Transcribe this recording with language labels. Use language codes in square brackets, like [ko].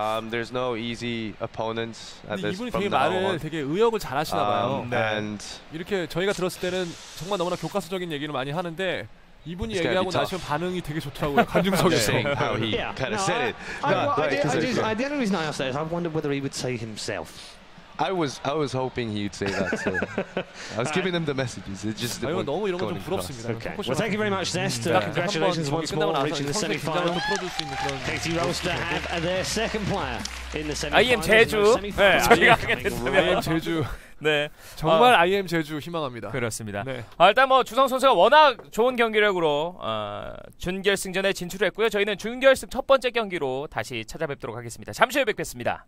[en] There's no easy opponents at this from now on. [ko] 이분이 말을 되게 의역을 잘하시나 봐요. 네. 이렇게 저희가 들었을 때는 정말 너무나 교과서적인 얘기를 많이 하는데. 이분이 얘기하고 나시면 반응이 되게 좋더라고요. 관중석에서. [en] Yeah. Kind of said it. The only reason I asked that is I wondered whether he would say himself. I was hoping he'd say that. So I was giving him the messages. It just. [ko] 아유 너무 이런 거 좀 부럽습니다. [en] Okay. Well, thank you very much, Zest. Congratulations once more on reaching the semi-final. KT Rolster have their second player in the semi-final. [ko] IM 제주. 네. 저희가 하겠습니다. IM 제주. 네. 정말 IM 제주 희망합니다. 그렇습니다. 네. 아, 일단 뭐 주성 선수가 워낙 좋은 경기력으로 준결승전에 진출했고요. 저희는 준결승 첫 번째 경기로 다시 찾아뵙도록 하겠습니다. 잠시 후에 뵙겠습니다.